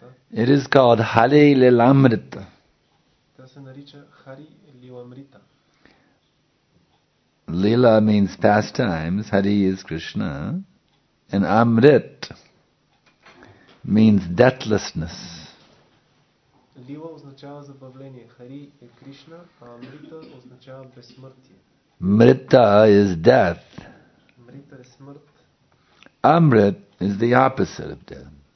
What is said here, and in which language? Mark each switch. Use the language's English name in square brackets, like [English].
[English] It is called Hari Lilamrita. [Bulgarian] Та се нарича Хари Лиламрита. [English] Lila means pastimes, Hari is Krishna, and Amrit means deathlessness. [Bulgarian] Lila означава забавление, Хари е Кришна, а Амрита означава безсмъртие. [English] Мрита is death. [Bulgarian] Мрита е смърт. [English] Amrit is the opposite of death.